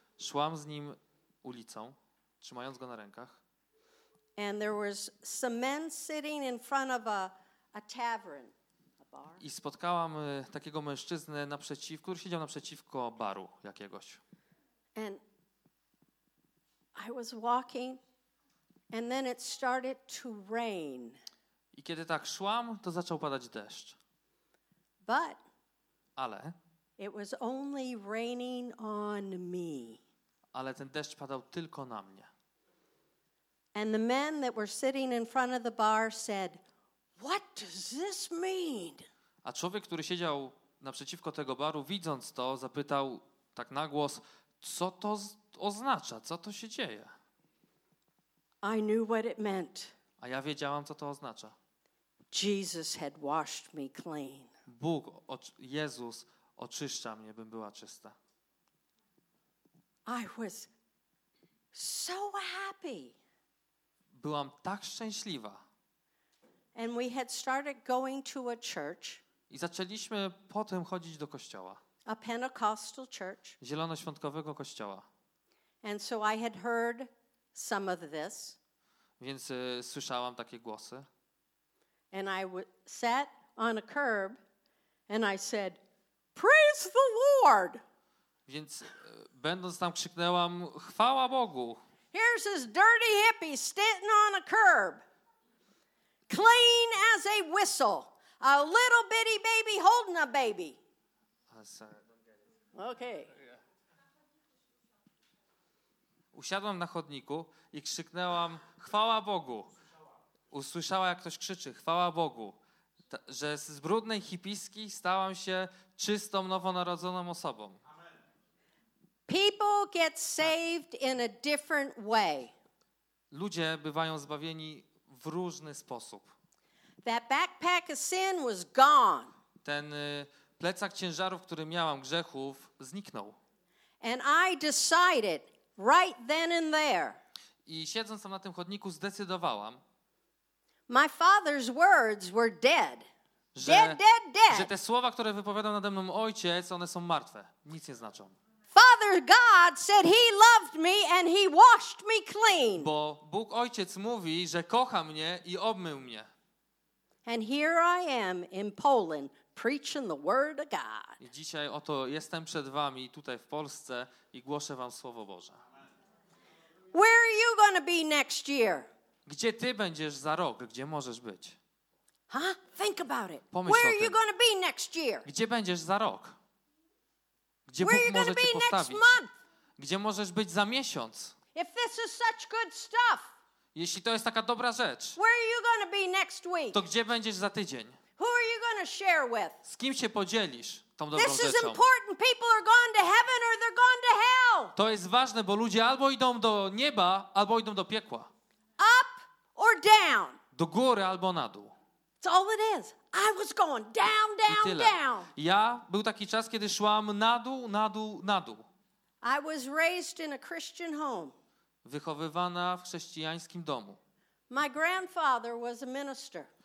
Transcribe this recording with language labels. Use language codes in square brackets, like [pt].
[pl] Szłam z nim ulicą, trzymając go na rękach. [en] And there was some men sitting in front of a tavern, a bar. [pl] I spotkałam takiego mężczyznę naprzeciw, który siedział naprzeciwko baru jakiegoś. [en] And I was walking. And then it started to rain. [pl] I kiedy tak szłam, to zaczął padać deszcz. [en] But [pl] ale [en] it was only raining on me. [pl] Ale ten deszcz padał tylko na mnie. [en] And the men that were sitting in front of the bar said, "What does this mean?" [pl] A człowiek, który siedział naprzeciwko tego baru, widząc to, zapytał tak na głos, co to oznacza, co to się dzieje? [en] I knew what it meant. [pl] A ja wiedziałam, co to oznacza. [en] Jesus had washed me clean. [pl] Bóg, Jezus oczyszcza mnie, bym była czysta. [en] I was so happy. [pl] Byłam tak szczęśliwa. [en] And we had started going to a church. [pl] I zaczęliśmy potem chodzić do kościoła. [en] A Pentecostal church. [pl] Zielonoświątkowego kościoła. [en] And so I had heard some of this. [pl] Więc słyszałam takie głosy. [en] And I sat on a curb and I said, "Praise the Lord." [pl] Więc będąc tam krzyknęłam, chwała Bogu. [en] Here's this dirty hippie sitting on a curb, clean as a whistle, a little bitty baby holding a baby. Okay. [pl] Usiadłam na chodniku i krzyknęłam, chwała Bogu. Usłyszała, jak ktoś krzyczy, chwała Bogu, że z brudnej hipiski stałam się czystą, nowonarodzoną osobą. [en] People get saved in a different way. [pl] Ludzie bywają zbawieni w różny sposób. [en] That backpack of sin was gone. [pl] Ten plecak ciężarów, który miałam, grzechów, zniknął. [en] And I decided right then and there. [pl] I siedząc tam na tym chodniku zdecydowałam. [en] My father's words were dead. Dead. [pl] Że te słowa, które wypowiadał nade mną ojciec, one są martwe. Nic nie znaczą. [en] Father God said he loved me and he washed me clean. [pl] Bo Bóg Ojciec mówi, że kocha mnie i obmył mnie. [en] And here I am in Poland preaching the word of God. [pl] I dzisiaj oto jestem przed wami tutaj w Polsce i głoszę wam słowo Boże. [en] Where are you going to be next year? [pl] Gdzie ty będziesz za rok? Gdzie możesz być? [en] Huh? Think about it. [pl] Pomyśl [en] Where are you going to be next year? [pl] Gdzie będziesz za rok? Gdzie [en] Where [pl] Bóg może cię postawić? [en] Next month? [pl] Gdzie możesz być za miesiąc? [en] If this is such good stuff, [pl] jeśli to jest taka dobra rzecz, [en] Where are you going to be next week? [pl] To gdzie będziesz za tydzień? [en] Who are you going to share with? [pl] Z kim się podzielisz tą dobrą [en] this [pl] rzeczą? [en] This is important. People are going to heaven or they're going to hell. [pl] To jest ważne, bo ludzie albo idą do nieba, albo idą do piekła. [en] Up or down? [pl] Do góry albo na dół. [en] That's all it is. I was going down, down, down. [pl] Ja był taki czas, kiedy szłam na dół, na dół, na dół. [en] I was raised in a Christian home. [pl] Wychowywana w chrześcijańskim domu. [en] My grandfather was a minister.